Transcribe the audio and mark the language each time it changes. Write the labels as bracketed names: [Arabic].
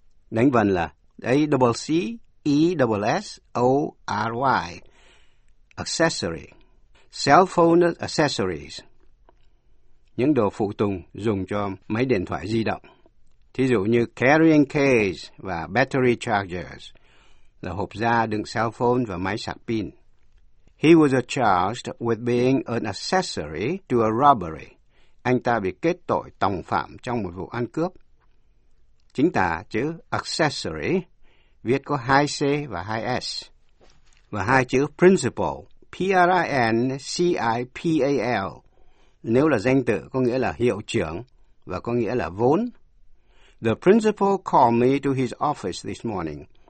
[Vietnamese] Đánh vần là A-C-C-E-S-S-O-R-Y, accessory. Cell phone accessories, những đồ phụ tùng dùng cho máy điện thoại di động. Thí dụ như carrying case và battery chargers là hộp da đựng cell phone và máy sạc pin. [English] He was charged with being an accessory to a robbery. [Vietnamese] Anh ta bị kết tội tòng phạm trong một vụ ăn cướp. Chính tả chữ accessory viết có hai C và hai S. Và hai chữ principal, P-R-I-N-C-I-P-A-L, nếu là danh tự có nghĩa là hiệu trưởng và có nghĩa là vốn. [English] The principal called me to his office this morning.